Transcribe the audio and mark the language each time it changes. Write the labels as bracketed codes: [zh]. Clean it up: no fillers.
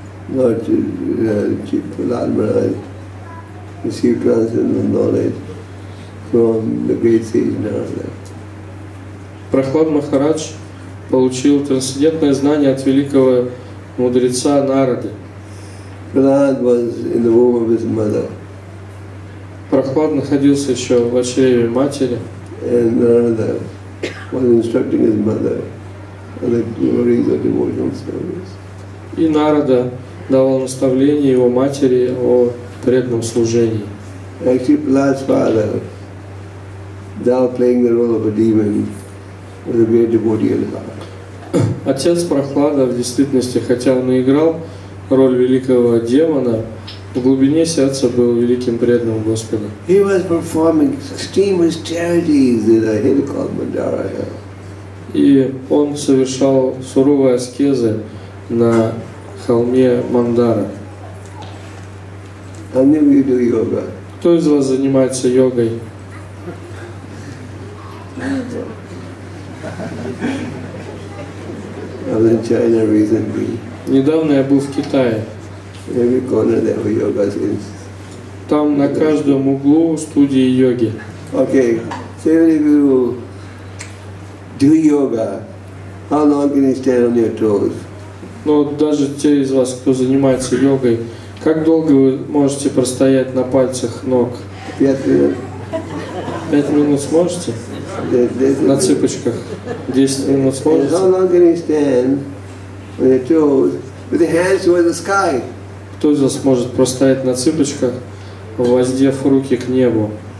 [en] Lord Chaitanya Mahaprabhu received transcendental knowledge from the great sage Narada. [ru] Прохлад Махарадж получил трансцендентное знание от великого мудреца Нарады. [en] Prahlad was in the womb of his mother. [ru] Прохлад находился еще в чреве матери. [en] And Narada was instructing his mother on the glories of devotional service. [ru] И Нарада давал наставление его матери о преданном служении. [en] Actually, Prahlad's father, now playing the role of a demon, with a great devotee in heart. [ru] Отец Прохлада в действительности, хотя он и играл роль великого демона, в глубине сердца был великим преданным Господа. [en] He was performing extremist charities in a hill called Mandara Hill. [ru] И он совершал суровые аскезы на холме Мандара. [en] How many of you do yoga? [ru] Кто из вас занимается йогой? [en] I was in China recently. [ru] Недавно я был в Китае. [en] Every corner there were yoga students. [ru] Там на каждом углу студии йоги. [en] Okay. So even if you do yoga, how long can you stand on your toes? [ru] Но даже те из вас, кто занимается йогой, как долго вы можете простоять на пальцах ног? 5 минут. 5 минут сможете? На цыпочках. 10 минут сможете? [en] How long can you stand on your toes with your hands towards the sky? [ru] Кто из вас может простоять на цыпочках, воздев руки к небу?